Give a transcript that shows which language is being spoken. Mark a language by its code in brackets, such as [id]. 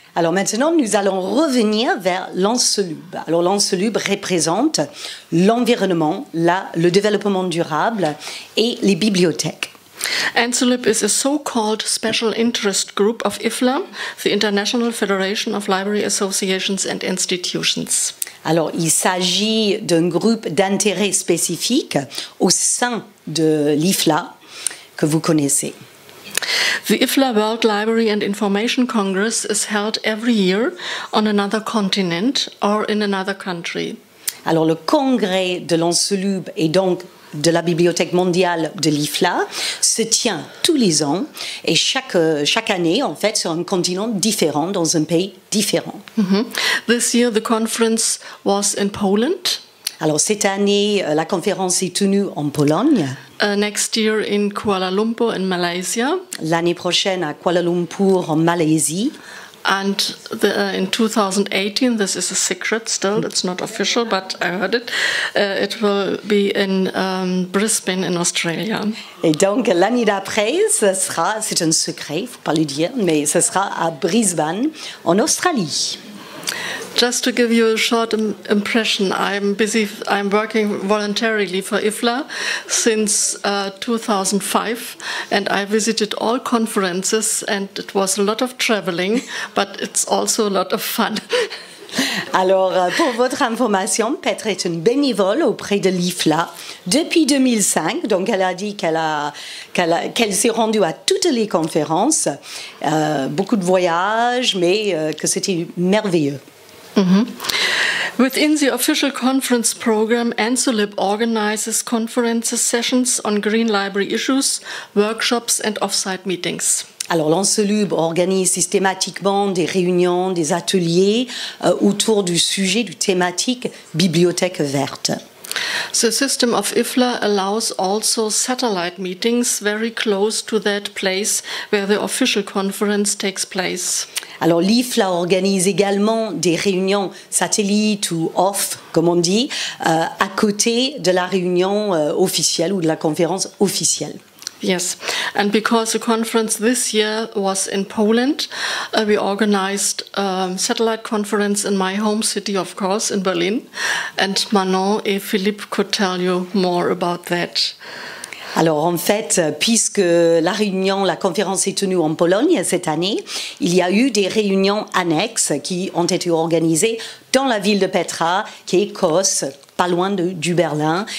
[fr] Alors maintenant, nous allons revenir vers l'ENSULIB. Alors l'ENSULIB représente l'environnement, le développement durable et les bibliothèques. [en] ENSULIB is a so-called special interest group of IFLA, the International Federation of Library Associations and Institutions. [fr] Alors, il s'agit d'un groupe d'intérêt spécifique au sein de l'IFLA que vous connaissez. [en] The IFLA World Library and Information Congress is held every year on another continent or in another country. [fr] Alors, le congrès de l'ENSULIB est donc de la Bibliothèque mondiale de l'IFLA se tient tous les ans et chaque année, en fait, sur un continent différent, dans un pays différent. [en] Mm-hmm. This year, the conference was in Poland. [fr] Alors, cette année, la conférence est tenue en Pologne. [en] Next year, in Kuala Lumpur, in Malaysia. [fr] L'année prochaine, à Kuala Lumpur, en Malaisie. [en] And the, in 2018, this is a secret still, it's not official, but I heard it, it will be in Brisbane, in Australia. [fr] Et donc, l'année d'après, ce sera, c'est un secret, il ne faut pas le dire, mais ce sera à Brisbane, en Australie. [en] Just to give you a short impression, I'm working voluntarily for IFLA since 2005 and I visited all conferences and it was a lot of traveling, but it's also a lot of fun. [fr] Alors, pour votre information, Petra est une bénévole auprès de l'IFLA depuis 2005. Donc, elle a dit qu'elle s'est rendue à toutes les conférences, beaucoup de voyages, mais que c'était merveilleux. Mm-hmm. [en] Within the official conference program, ENSULIB organizes conferences, sessions on green library issues, workshops and off-site meetings. [fr] Alors l'ENSULIB organise systématiquement des réunions, des ateliers autour du sujet, du thématique bibliothèque verte. [en] The system of IFLA allows also satellite meetings very close to that place where the official conference takes place. [fr] Alors l'IFLA organise également des réunions satellites ou off, comme on dit, à côté de la réunion officielle ou de la conférence officielle. [en] Yes, and because the conference this year was in Poland, we organized a satellite conference in my home city, of course, in Berlin. And Manon et Philippe could tell you more about that. [fr] Alors, en fait, puisque la réunion, la conférence est tenue en Pologne cette année, il y a eu des réunions annexes qui ont été organisées dans la ville de Petra, qui est Écosse, pas loin de, du Berlin.